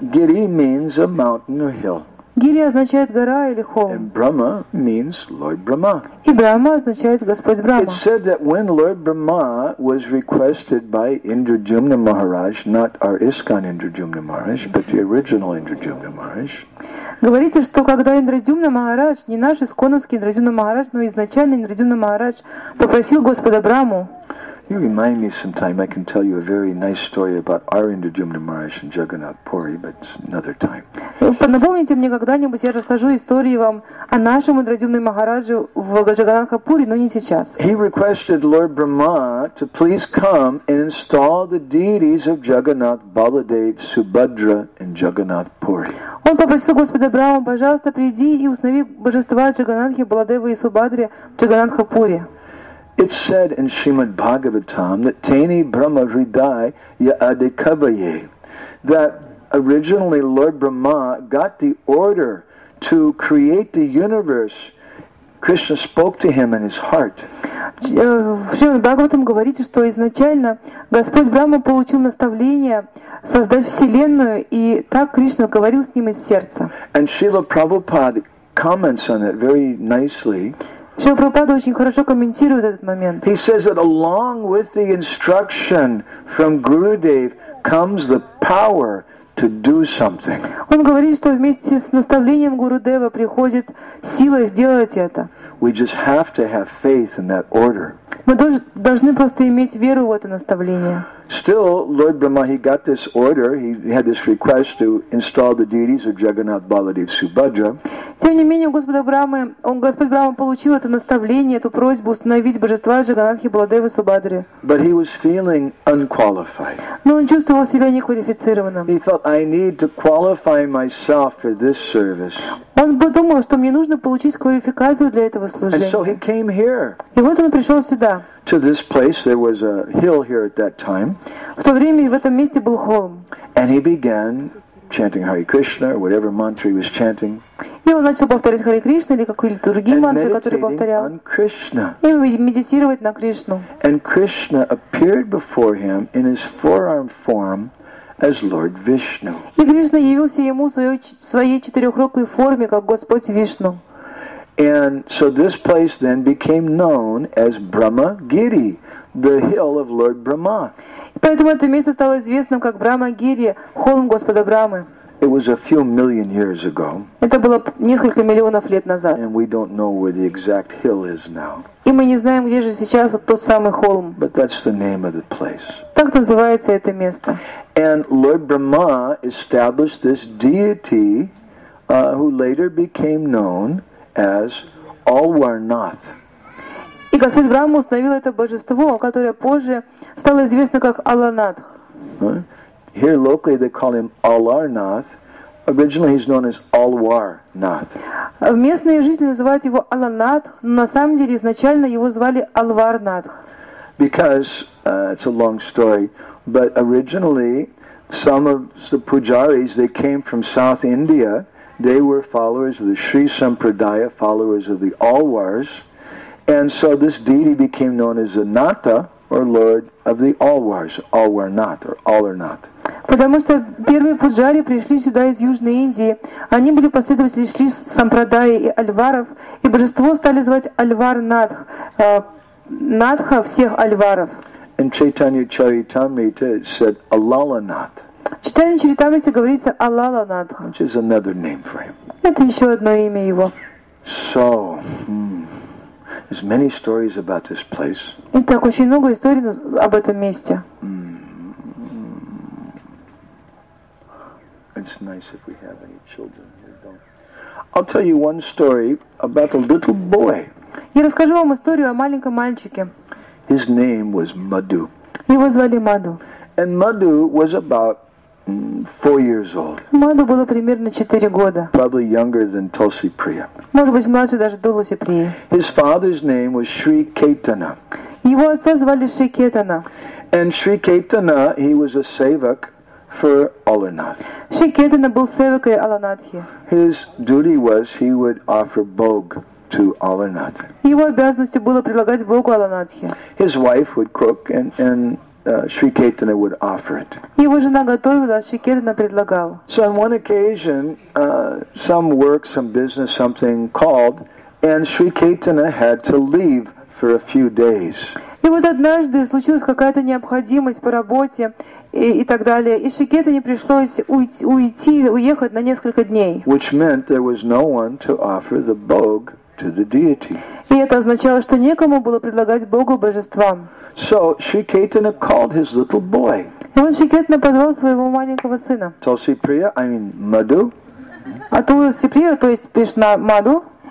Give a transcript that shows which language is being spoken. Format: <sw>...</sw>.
<en>Giri means a mountain or hill.</en> <ru>Гири означает гора или холм.</ru> <en>And Brahma means Lord Brahma.</en> <ru>И Брахма означает Господь Брахма.</ru> <en>It's said that when Lord Brahma was requested by Indrajumna Maharaj, not our ISKCON Indrajumna Maharaj, but the original Indrajumna Maharaj.</en> <ru>Говорится, что когда Индрадюмна Махарадж, не наш исконовский Индрадюмна Махарадж, но изначально Индрадюмна Махарадж попросил Господа Брахму.</ru> <en>You remind me sometime. I can tell you a very nice story about our Indrajumna Maharaj and Jagannath Puri, but it's another time.</en> <ru>Напомните мне когда-нибудь, я расскажу истории вам о нашем Индрадюмне Махараджу в Джаганнатхапуре, но не сейчас.</ru> <en>He requested Lord Brahma to please come and install the deities of Jagannath, Baladev, Subhadra, and Jagannath Puri.</en> <ru>Он попросил Господа Брахму, пожалуйста, приди и установи божества Джаганнатхи, Баладевы и Субхадры в Джаганнатхапуре.</ru> <en>It's said in Srimad Bhagavatam that</en> <sa>Tene Brahma Vridai Ya Adekabaye,</sa> <en>that originally Lord Brahma got the order to create the universe. Krishna spoke to him in his heart.</en> <ru>В Шримад Бхагаватам говорится, что изначально Господь Брахма получил наставление создать Вселенную, и так Кришна говорил с ним из сердца.</ru> <en>And Srila Prabhupada comments on it very nicely.</en> <ru>Шрила Прабхупада очень хорошо комментирует этот момент.</ru> <en>He says that along with the instruction from Gurudev comes the power to do something.</en> <ru>Он говорит, что вместе с наставлением Гурудева приходит сила сделать это.</ru> <en>We just have to have faith in that order.</en> <ru>Мы должны просто иметь веру в это наставление.</ru> <en>Still, Lord Brahma, he got this order, he had this request to install the deities of Jagannath, Baladev, Subhadra.</en> <ru>Тем не менее, Господь Брахма получил это наставление, эту просьбу установить божества Джаганнатхи, Баладевы, Субхадры.</ru> <en>But he was feeling unqualified.</en> <ru>Но он чувствовал себя неквалифицированным.</ru> <en>He felt, I need to qualify myself for this service.</en> <ru>Он подумал, что мне нужно получить квалификацию для этого служения.</ru> <en>And so he came here.</en> <ru>И вот он пришел сюда.</ru> <en>To this place, there was a hill here at that time.</en> <ru>В то время в этом месте был холм.</ru> <en>And he began chanting Hare Krishna, whatever mantra he was chanting.</en> <ru>И он начал повторять Харе Кришна или какие-то другие мантры, которые повторял.</ru> <en>And meditating on Krishna.</en> <ru>И медитировать на Кришну.</ru> <en>And Krishna appeared before him in his forearm form as Lord Vishnu.</en> <ru>И Кришна явился ему в своей четырехрукой форме как Господь Вишну.</ru> <en>And so this place then became known as Brahma Giri, the hill of Lord Brahma.</en> <ru>Поэтому это место стало известным как Брахма Гири, холм Господа Брахмы.</ru> <en>It was a few million years ago.</en> <ru>Это было несколько миллионов лет назад.</ru> <en>And we don't know where the exact hill is now.</en> <ru>И мы не знаем, где же сейчас тот самый холм.</ru> <en>But that's the name of the place.</en> <ru>Так называется это место.</ru> <en>And Lord Brahma established this deity, who later became known as Alwarnath.</en> <ru>И Господь Брахма установил это божество, которое позже стало известно как Аланат.</ru> <en>Here locally they call him Alarnath. Originally he's known as Alwarnath.</en> <ru>Местные жители называют его Аланат, но на самом деле изначально его звали Алварнат.</ru> <en>Because it's a long story, but originally some of the pujaris, they came from South India. They were followers of the Sri Sampradaya, followers of the Alwars. And so this deity became known as Anatta, or Lord of the Alwars, Alwarnath, or Alarnath.</en> <ru>Потому что первые пуджари пришли сюда из Южной Индии. Они были последователи Шри Сампрадаи и Альваров, и божество стали звать Альварнатх, Натха всех Альваров.</ru> <en>In Chaitanya Charitamrita it said Алаланат.</en> <ru>Читание Чаритамрита говорится Алаланатх.</ru> <en>Which is another name for him.</en> <ru>Это еще одно имя его.</ru> <en>So, there's many stories about this place.</en> <ru>Итак, очень много историй об этом месте.</ru> <en>It's nice if we have any children here, don't. I'll tell you one story about a little boy.</en> <ru>Я расскажу вам историю о маленьком мальчике.</ru> <en>His name was Madhu.</en> <ru>Его звали Маду.</ru> <en>And Madhu was about 4 years old.</en> <ru>Маду было примерно 4 года.</ru> <en>Probably younger than Tulsi Priya.</en> <ru>Может быть, младше даже Тулси Прия.</ru> <en>His father's name was Sri Ketana.</en> <ru>Его отца звали Шри Кетана.</ru> <en>And Sri Ketana, he was a sevak for Alarnath.</en> <ru>Шри Кетана был севакой Аланатхи.</ru> <en>His duty was he would offer bhog to Alarnath.</en> <ru>Его обязанностью было предлагать богу Аланатхи.</ru> <en>His wife would cook and Sri Ketana would offer it.</en> <ru>Его жена готовила, Шри Кетана предлагал.</ru> <en>So on one occasion, some work, some business, something called, and Sri Ketana had to leave for a few days.</en> <ru>И вот однажды случилась какая-то необходимость по работе. И так далее. И Шри Кетане пришлось уехать на несколько дней.</ru> <en>Which meant there was no one to offer the bhog to the deity.</en> <ru>И это означало, что некому было предлагать богу божества.</ru> <en>So Sri Ketana called his little boy.</en> <ru>И он Шри Кетана позвал своего маленького сына.</ru> <en>Tulsi Priya, I mean Madhu.</en> <ru>А Тулси Прия, то есть Кришна Маду.</ru>